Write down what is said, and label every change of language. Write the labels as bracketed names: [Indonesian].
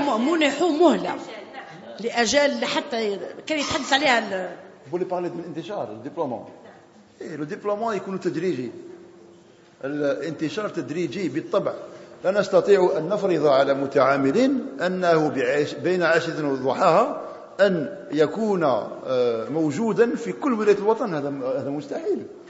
[Arabic] منحوا مهلة لأجل حتى كان يتحدث عليها. [French] vous voulez parler de l'intéchar, le déploiement. Le déploiement est connu tadriji. [Arabic] L'intéchar tadriji, بالطبع. لا نستطيع أن نفرض على متعاملين أنه بين عشية وضحاها أن يكون موجودا في كل ولاية الوطن. هذا مستحيل.